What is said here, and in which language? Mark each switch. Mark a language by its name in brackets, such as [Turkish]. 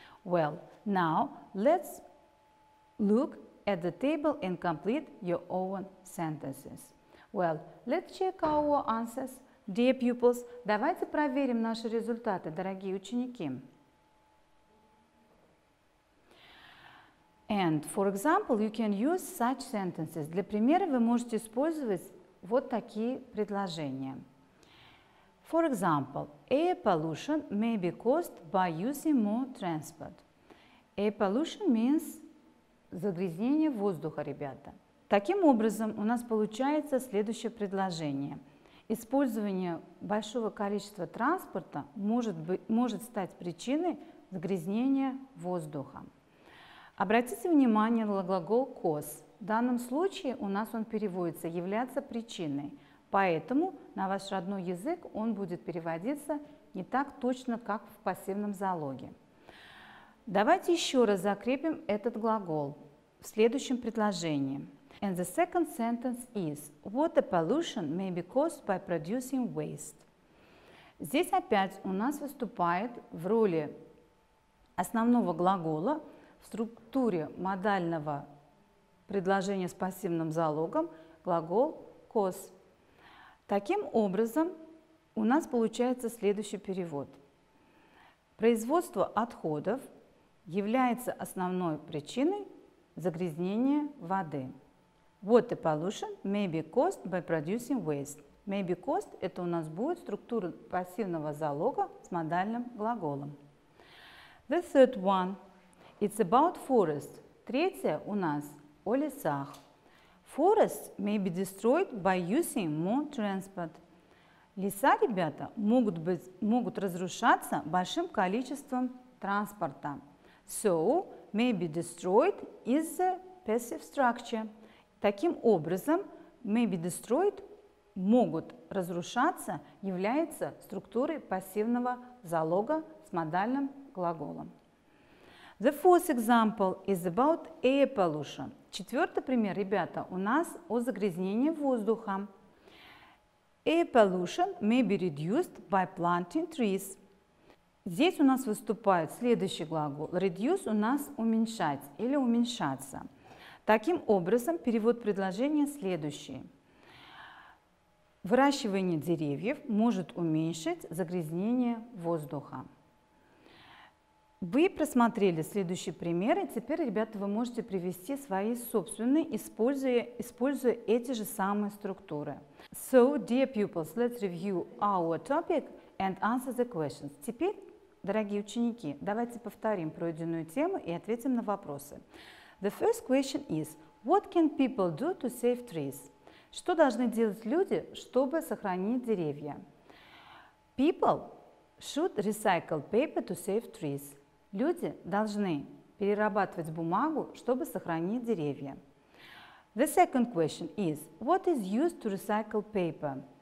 [English] Well, now let's look at the table and complete your own sentences. Well, let's check our answers, dear pupils. [Russian] Давайте проверим наши результаты, дорогие ученики. [English] And, for example, you can use such sentences. [Russian] Для примера вы можете использовать вот такие предложения. [English] For example, air pollution may be caused by using more transport. Air pollution means [Russian] загрязнение воздуха, ребята. Таким образом, у нас получается следующее предложение. Использование большого количества транспорта может стать причиной загрязнения воздуха. Обратите внимание на глагол cause. В данном случае у нас он переводится «являться причиной». Поэтому на ваш родной язык он будет переводиться не так точно, как в пассивном залоге. Давайте еще раз закрепим этот глагол в следующем предложении. [English] And the second sentence is water pollution may be caused by producing waste. [Russian] Здесь опять у нас выступает в роли основного глагола в структуре модального предложения с пассивным залогом глагол cause. Таким образом, у нас получается следующий перевод. Производство отходов является основной причиной загрязнения воды. [English] Water pollution may be caused by producing waste. May be caused [Russian] – это у нас будет структура пассивного залога с модальным глаголом. [English] The third one – it's about forest. [Russian] Третья у нас – о лесах. [English] Forest may be destroyed by using more transport. [Russian] Леса, ребята, могут разрушаться большим количеством транспорта. [English] So, may be destroyed is the passive structure. [Russian] Таким образом, [English] may be destroyed, [Russian] могут разрушаться, является структурой пассивного залога с модальным глаголом. [English] The fourth example is about air pollution. [Russian] Четвертый пример, ребята, у нас о загрязнении воздуха. [English] Air pollution may be reduced by planting trees. [Russian] Здесь у нас выступает следующий глагол. Reduce у нас уменьшать или уменьшаться. Таким образом, перевод предложения следующий. Выращивание деревьев может уменьшить загрязнение воздуха. Вы просмотрели следующие примеры. Теперь, ребята, вы можете привести свои собственные, используя эти же самые структуры. [English] So, dear pupils, let's review our topic and answer the questions. [Russian] Теперь, дорогие ученики, давайте повторим пройденную тему и ответим на вопросы. [English] The first question is, what can people do to save trees? [Russian] Что должны делать люди, чтобы сохранить деревья? [English] People should recycle paper to save trees. [Russian] Люди должны перерабатывать бумагу, чтобы сохранить деревья. [English] The second question is, what is used to recycle paper?